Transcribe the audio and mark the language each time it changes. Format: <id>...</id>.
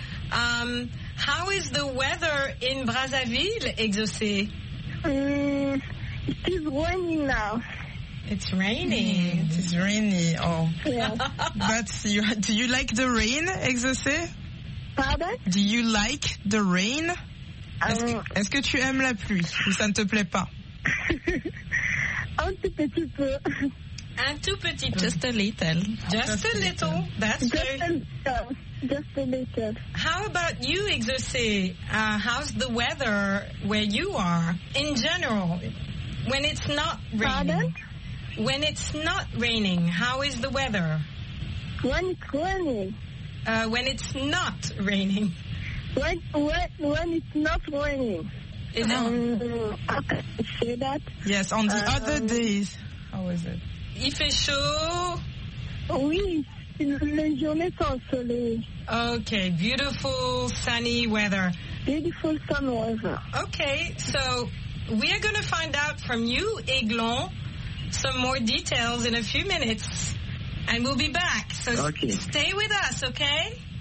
<en>How is the weather in Brazzaville, Exaucé? It is raining now. It's raining. It's rainy. Oh. Yeah. But you, do you like the rain, Exaucé? Pardon? Do you like the rain?</en> <fr>Est-ce que tu aimes la pluie ou ça ne te plaît pas? Un tout petit peu. Un tout petit peu.</fr> <en>Just a little. Just a little. That's good. Just a little. How about you, Exaucé? How's the weather where you are in general? When it's not raining? Pardon? When it's not raining, how is the weather? When it's raining. When it's not raining. When it's not raining. Is it? How can I say that? Yes, on the other days. How is it?</en> <fr>Il fait chaud. Oui, les journées sont soleil.</fr> <en>Okay, beautiful sunny weather. Beautiful sun weather. Okay, so we are going to find out from you, Aiglon, some more details in a few minutes, and we'll be back. So okay. Stay with us, okay?</en>